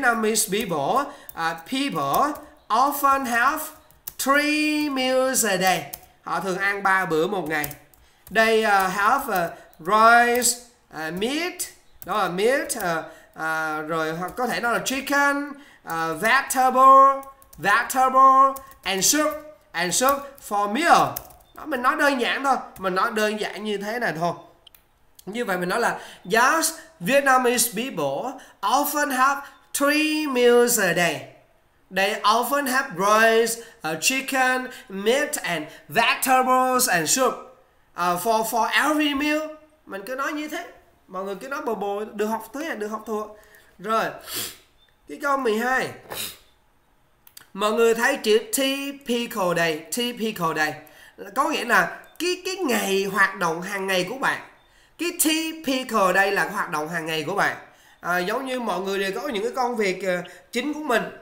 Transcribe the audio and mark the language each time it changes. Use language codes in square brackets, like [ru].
[en] Yes, Vietnamese people often have three meals a day. [vi] Họ thường ăn ba bữa một ngày. [en] They have rice, meat. [vi] Đó là meat, rồi hoặc có thể nó là [en] chicken, vegetable and soup for meal. [vi] Đó, mình nói đơn giản thôi, mình nói đơn giản như thế này thôi. Như vậy mình nói là [en] yes, Vietnamese people often have three meals a day. They often have rice, chicken, meat and vegetables and soup for every meal. [vi] Mình cứ nói như thế. Mọi người cứ nói bồ bồ, được học thế à, được học thuộc. Rồi. Cái câu 12. Mọi người thấy chữ typical day, typical day. Có nghĩa là cái ngày hoạt động hàng ngày của bạn. Cái typical day là hoạt động hàng ngày của bạn. Giống như mọi người đều có những cái công việc chính của mình.